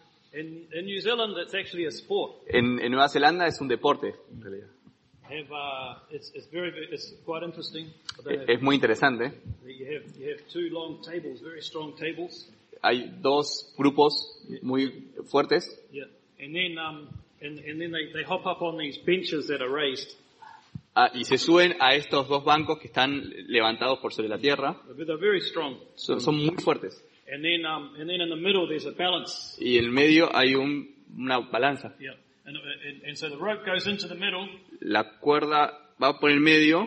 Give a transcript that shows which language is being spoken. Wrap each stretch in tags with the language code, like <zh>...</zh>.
<en>In New Zealand, it's actually a sport.</en> <es>En Nueva Zelanda es un deporte, en realidad.</es> <en>It's quite interesting.</en> <es>Es muy interesante.</es> <en>You have two long tables, very strong tables.</en> <es>Hay dos grupos muy fuertes.</es> <en>Yeah. And then they hop up on these benches that are raised.</en> <es>Ah, y se suben a estos dos bancos que están levantados por sobre la tierra.</es> <en>But they're very strong.</en> <es>Son muy fuertes.</es> <en>And then in the middle there's a balance.</en> <es>Y en medio hay una balanza.</es> <en>Yeah. And so the rope goes into the middle.</en> <es>La cuerda va por el medio.</es>